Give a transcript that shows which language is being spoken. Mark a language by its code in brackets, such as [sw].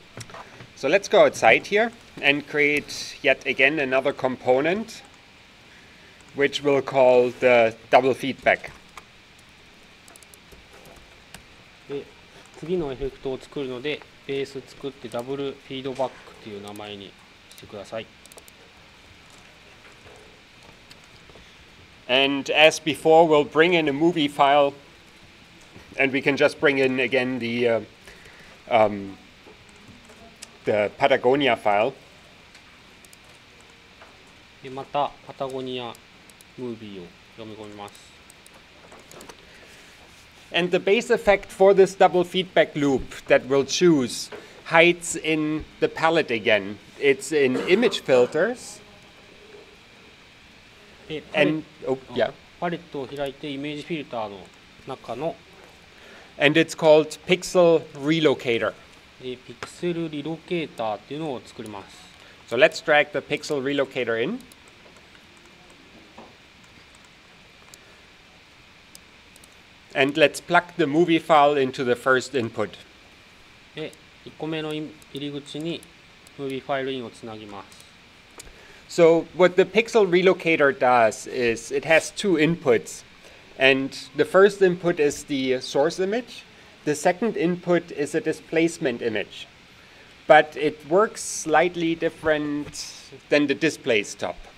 [en] Yeah. So let's go outside here and create yet again another component, which we'll call the double feedback. [ja] で、次のエフェクトを作るので、ベース作ってダブルフィードバックという名前にしてください。 [en] And as before, we'll bring in a movie file, and we can just bring in again the Patagonia file. [ja] で、またパタゴニアムービーを読み込みます。 [en] And the base effect for this double feedback loop that we'll choose hides in the palette again. It's in image filters. And [ja] パレットを開いてイメージフィルターの中の。 [en] And it's called pixel relocator. [ja] ピクセルリロケーターっていうのを作ります。 [en] So let's drag the pixel relocator in. And let's plug the movie file into the first input. [ja] で、1個目の入り口にムービーファイルインをつなぎます。 [en] So what the pixel relocator does is it has two inputs. And the first input is the source image. The second input is a displacement image. But it works slightly different than the display stop.